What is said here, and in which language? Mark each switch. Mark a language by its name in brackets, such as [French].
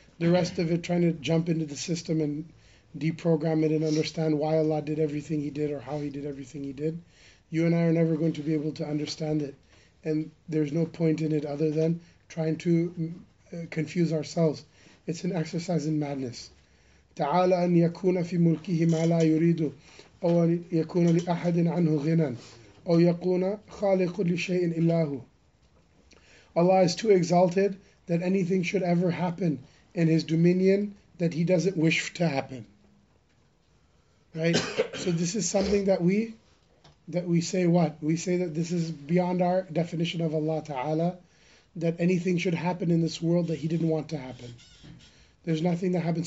[English] The rest of it, trying to jump into the system and deprogram it and understand why Allah did everything He did or how He did everything He did, you and I are never going to be able to understand it. And there's no point in it other than trying to confuse ourselves. It's an exercise in madness. [Arabic] Ta'ala an yakuna fi mulkihi ma la yuridu. أو يكون لأحد عنه غنى أو يكون خالق لشيء إلا هو. [English] Allah is too exalted that anything should ever happen in His dominion that He doesn't wish to happen. Right? So this is something that we say what? We say that this is beyond our definition of Allah Ta'ala, that anything should happen in this world that He didn't want to happen. There's nothing that happened.